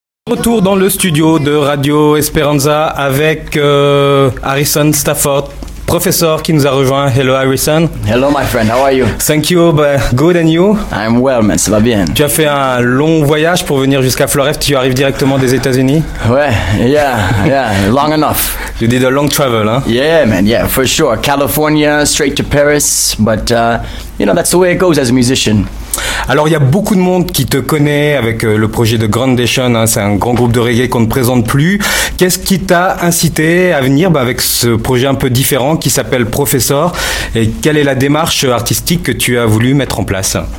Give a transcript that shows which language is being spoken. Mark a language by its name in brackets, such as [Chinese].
[French] Retour dans le studio de Radio Esperanza avec Harrison Stafford, professeur qui nous a rejoint. [English] Hello Harrison. Hello my friend, how are you? Thank you, but good and you? I'm well man, [French] ça va bien. Tu as fait un long voyage pour venir jusqu'à Floref, tu arrives directement des États-Unis? [English] Ouais, yeah, long enough. You did a long travel, hein? Yeah man, yeah, for sure. California, straight to Paris, but you know, that's the way it goes as a musician. [French] Alors, il y a beaucoup de monde qui te connaît avec le projet de Groundation. Hein, c'est un grand groupe de reggae qu'on ne présente plus. Qu'est-ce qui t'a incité à venir avec ce projet un peu différent qui s'appelle Professor? Et quelle est la démarche artistique que tu as voulu mettre en place?